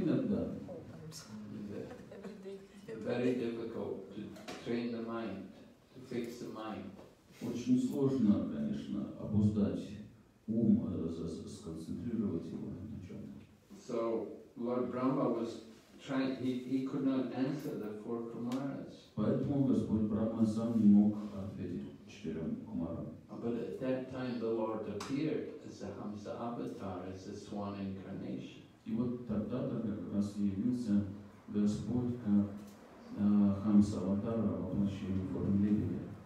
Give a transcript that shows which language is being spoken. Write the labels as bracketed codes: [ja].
[en] Very difficult to train the mind, to fix the mind. [ru] Очень сложно, конечно, обуздать ум, сконцентрировать его на чем-то. [en] So Lord Brahma was trying, he could not answer the four kumaras. [ru] Поэтому Господь Брахма сам не мог ответить четырем кумарам. [en] But at that time the Lord appeared as a Hamsa avatar, as a swan incarnation. [ru] И вот тогда как раз явился Господь как Хамса аватара в облачении формы лебедя.